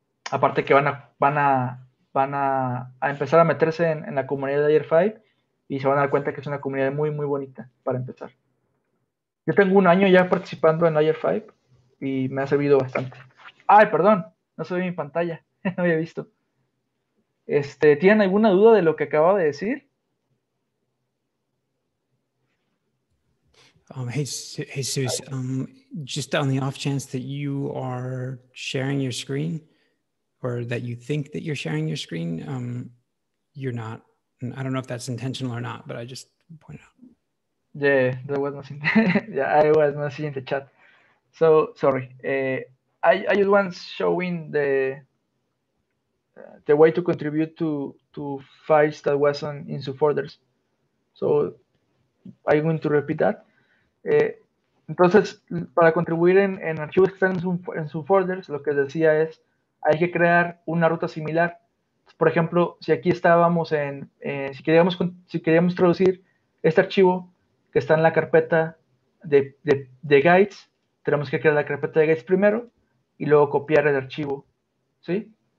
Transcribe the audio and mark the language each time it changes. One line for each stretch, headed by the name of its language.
Spanish: Aparte que van a empezar a meterse en la comunidad de Layer 5 y se van a dar cuenta que es una comunidad muy, muy bonita para empezar. Yo tengo un año ya participando en Layer 5 y me ha servido bastante. ¡Ay, perdón! No se ve mi pantalla. No había visto. ¿Tienen alguna duda de lo que acababa de decir?
English: Jesus, just on the off chance that you are sharing your screen, or that you think that you're sharing your screen, you're not. And I don't know if that's intentional or not, but I just pointed out. Yeah, there was nothing. Yeah, I was not seeing the chat. So, sorry. I just want showing the way to contribute to files that was in subfolders. So, I'm going to repeat that.
Spanish: Entonces, para contribuir en archivos que están en subfolders, lo que decía es, hay que crear una ruta similar. Por ejemplo, si aquí estábamos en, si queríamos traducir este archivo que está en la carpeta de guides, tenemos que crear la carpeta de guides primero y luego copiar el archivo, ¿sí?